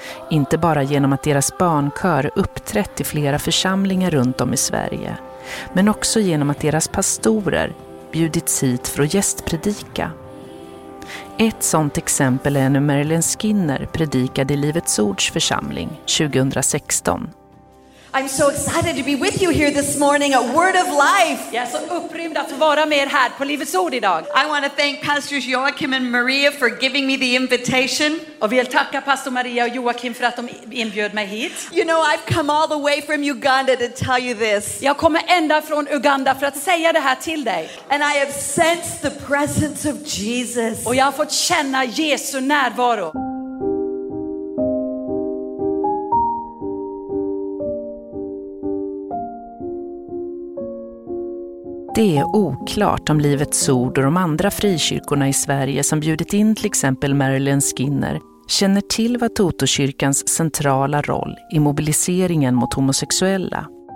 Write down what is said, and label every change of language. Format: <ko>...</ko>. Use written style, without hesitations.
<sv>Inte bara genom att deras barnkör uppträtt i flera församlingar runt om i Sverige, men också genom att deras pastorer bjudits hit för att gästpredika. Ett sådant exempel är när Marilyn Skinner predikade i Livets Ords församling 2016.</sv> <en>I'm so excited to be with you here this morning at Word of Life.</en> <sv>Jag är så upprymd att vara med här på Livets Ord idag.</sv> <en>I want to thank Pastors Joachim and Maria for giving me the invitation.</en> <sv>Och vill tacka Pastor Maria och Joachim för att de inbjöd mig hit.</sv> <en>You know, I've come all the way from Uganda to tell you this.</en> <sv>Jag kommer ända från Uganda för att säga det här till dig.</sv> <en>And I have sensed the presence of Jesus.</en> <sv>Och jag har fått känna Jesu närvaro. Det är oklart om Livets Ord och de andra frikyrkorna i Sverige som bjudit in till exempel Marilyn Skinner känner till Watoto-kyrkans centrala roll i mobiliseringen mot homosexuella.</sv>